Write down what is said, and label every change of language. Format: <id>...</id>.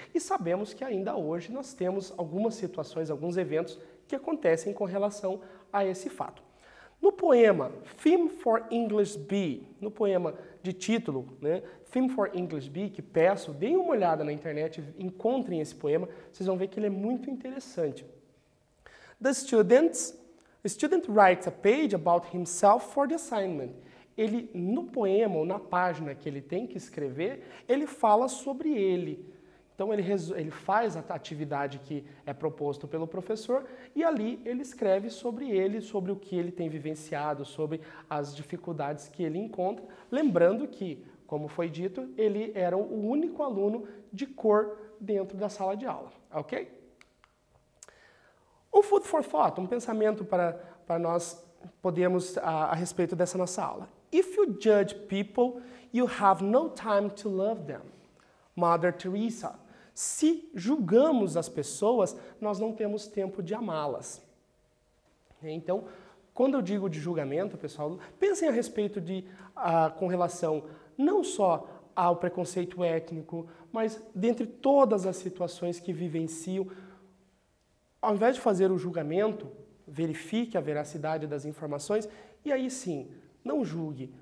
<pt>E sabemos que ainda hoje nós temos algumas situações, alguns eventos que acontecem com relação a esse fato. No poema Theme for English B, no poema de título, né, Theme for English B, que peço, deem uma olhada na internet, encontrem esse poema, vocês vão ver que ele é muito interessante.</pt> <en>The student writes a page about himself for the assignment.</en> <pt>Ele, no poema ou na página que ele tem que escrever, ele fala sobre ele. Então, ele faz a atividade que é proposto pelo professor e ali ele escreve sobre ele, sobre o que ele tem vivenciado, sobre as dificuldades que ele encontra. Lembrando que, como foi dito, ele era o único aluno de cor dentro da sala de aula. Ok? Um</pt> <en>food for thought,</en> <pt>um pensamento para nós podermos a respeito dessa nossa aula.</pt> <en>If you judge people, you have no time to love them.</en> <pt>Mother Teresa, se julgamos as pessoas, nós não temos tempo de amá-las. Então, quando eu digo de julgamento, pessoal, pensem a respeito de, com relação não só ao preconceito étnico, mas dentre todas as situações que vivenciam, ao invés de fazer o julgamento, verifique a veracidade das informações e aí sim, não julgue.</pt>